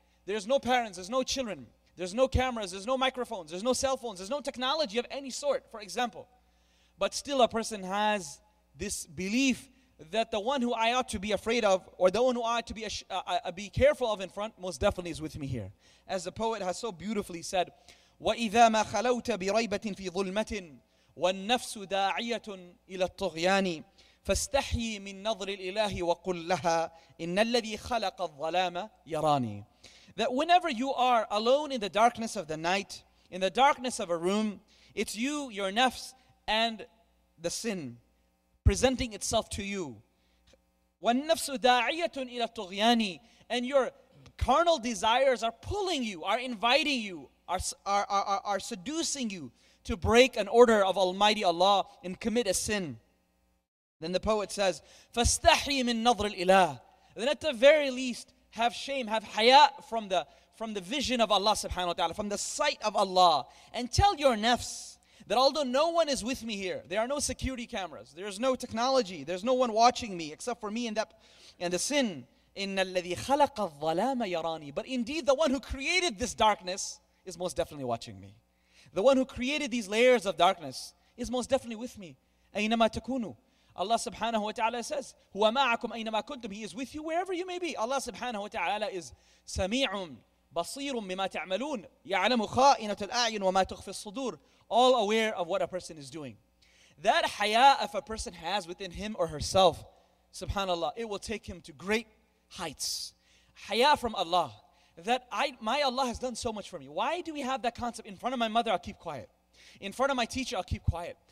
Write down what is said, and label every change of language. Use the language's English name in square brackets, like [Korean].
[English] There's no parents, there's no children, there's no cameras, there's no microphones, there's no cell phones, there's no technology of any sort, for example. But still a person has this belief that the one who I ought to be afraid of, or the one who I ought to be careful of in front, most definitely is with me here. As the poet has so beautifully said, [Arabic] وَإِذَا مَا خَلَوْتَ بِرَيْبَةٍ فِي ظُلْمَةٍ وَالنَّفْسُ دَاعِيَةٌ إِلَى الطُّغْيَانِ فَاسْتَحْيِي مِن نَظْرِ الْإِلَهِ وَقُلْ لَهَا إِنَّ الَّذِي خَلَقَ الظَّلَامَ يَرَانِي. [English] That whenever you are alone in the darkness of the night, in the darkness of a room, it's you, your nafs, and the sin presenting itself to you. [Arabic] وَالنَّفْسُ دَاعِيَةٌ إِلَى الطُّغْيَانِ. [English] And your carnal desires are pulling you, are inviting you, are seducing you to break an order of Almighty Allah and commit a sin. Then the poet says, [Arabic] فَاسْتَحْيِي مِن نَظْرِ الْإِلَهِ. [English] Then at the very least, have shame, have haya from the vision of Allah subhanahu wa ta'ala, from the sight of Allah. And tell your nafs that although no one is with me here, there are no security cameras, there is no technology, there's no one watching me except for me and the sin. [Arabic] إِنَّ الَّذِي خَلَقَ الظَّلَامَ يَرَانِي. [English] But indeed, the one who created this darkness is most definitely watching me. The one who created these layers of darkness is most definitely with me. [Arabic] أَيْنَمَا تَكُونُوا. [English] Allah subhanahu wa ta'ala says, [Arabic] هُوَ مَعَكُمْ أَيْنَمَا كُنْتُمْ. [English] He is with you wherever you may be. Allah subhanahu wa ta'ala is [Arabic] سَمِيعٌ بَصِيرٌ بِمَا تَعْمَلُونَ يَعْلَمُ خَائِنَةُ الْأَعْيُنُ وَمَا تُخْفِي الصُّدُورِ. [English] All aware of what a person is doing. That haya if a person has within him or herself, subhanAllah, it will take him to great heights. Haya from Allah. That my Allah has done so much for me. Why do we have that concept? In front of my mother, I'll keep quiet. In front of my teacher, I'll keep quiet.